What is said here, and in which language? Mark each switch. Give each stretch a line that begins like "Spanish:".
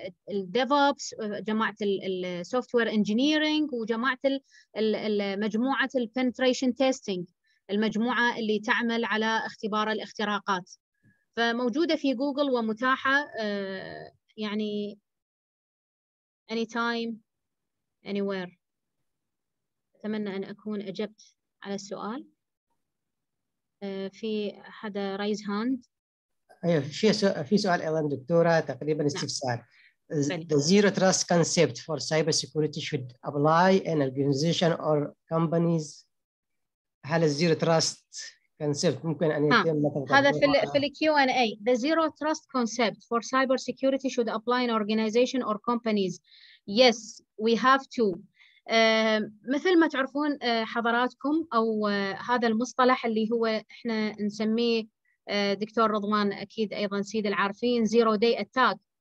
Arabic: الديفوبس جماعه السوفت وير انجينيرنج، وجماعه مجموعه البنتريشن تيستينج، المجموعه اللي تعمل على اختبار الاختراقات، فموجوده في جوجل ومتاحه يعني
English: anytime anywhere.
Arabic: أتمنى أن أكون أجبت على السؤال. في حدا
English: raise hand؟
Arabic: أيوة، في سؤال أيضا دكتورة، تقريبا استفسار.
English: The zero trust concept for cyber security should apply in organization or companies.
Arabic: هل zero trust concept ممكن أن يتم مثلا؟ هذا في الـ Q&A.
English: The zero trust concept for cyber security should apply in organization or companies. Yes, we have to.
Arabic: مثل ما تعرفون حضراتكم، أو هذا المصطلح اللي هو إحنا نسميه دكتور رضوان أكيد أيضا سيد العارفين زيرو داي أتاك.